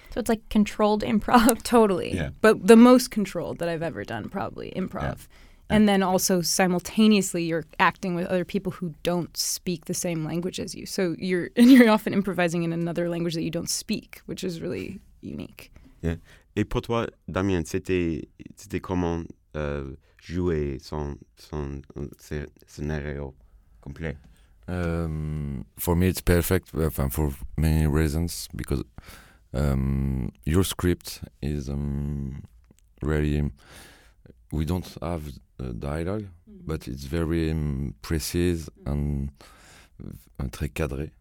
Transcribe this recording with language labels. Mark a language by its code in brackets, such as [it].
[en] So it's like controlled improv. Totally. Yeah. But the most controlled that I've ever done, probably, improv. Yeah. And then also simultaneously you're acting with other people who don't speak the same language as you. So you're often improvising in another language that you don't speak, which is really unique. Yeah. [fr] Et pour toi, Damien, c'était comment jouer son scénario complet? [en] For me, it's perfect for many reasons, because your script is really... We don't have dialogue, but it's very precise and [fr] très cadré.